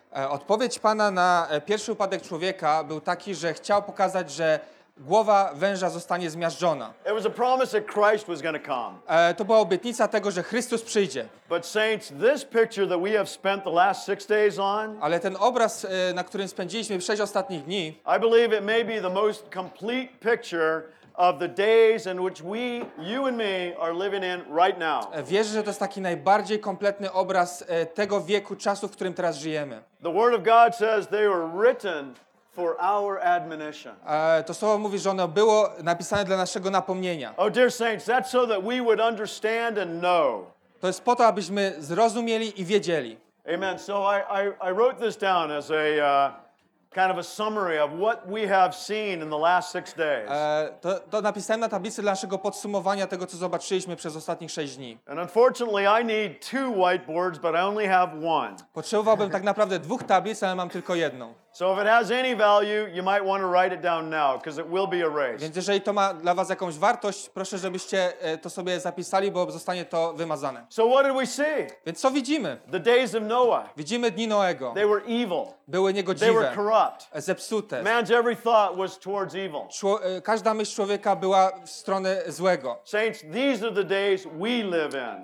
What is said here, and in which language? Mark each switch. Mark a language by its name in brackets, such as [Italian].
[Polish] Odpowiedź Pana na pierwszy upadek człowieka był taki, że chciał pokazać, że głowa węża zostanie zmiażdżona. [English] It was a promise that Christ was going to come. [Polish] To była obietnica tego, że Chrystus przyjdzie. [English] But saints, this picture that we have spent the last six days on, [Polish] ale ten obraz, na którym spędziliśmy 6 ostatnich dni, [English] I believe it may be the most complete picture of the days in which we, you and me, are living in right now. [Polish] Wierzę, że to jest taki najbardziej kompletny obraz tego wieku czasu, w którym teraz żyjemy. [English] The word of God says they were written for our admonition. [Polish] To słowo mówi, że ono było napisane dla naszego napomnienia. [English] Oh dear saints, that's so that we would understand and know. [Polish] To jest po to, abyśmy zrozumieli i wiedzieli. [English] Amen. So I wrote this down as a kind of a summary of what we have seen in the last six days. [Polish] To napisałem na tablicy dla naszego podsumowania tego, co zobaczyliśmy przez ostatnich 6 dni. [English] And unfortunately, I need two whiteboards, but I only have one. [Polish] Potrzebowałbym tak naprawdę dwóch tablic, ale mam tylko jedną. [English] So if it has any value, you might want to write it down now, because it will be erased. [Polish] Więc jeżeli to ma dla was jakąś wartość, proszę, żebyście to sobie zapisali, bo zostanie to wymazane. [English] So what did we see? [Polish] Więc co widzimy? [English] The days of Noah. [Polish] Widzimy dni Noego. [English] They were evil. [Polish] Były niegodziwe. [English] They were corrupt. [Polish] Zepsute. [English] Man's every thought was towards evil. [Polish] Każda myśl człowieka była w stronę złego. [English] Saints, these are the days we live in.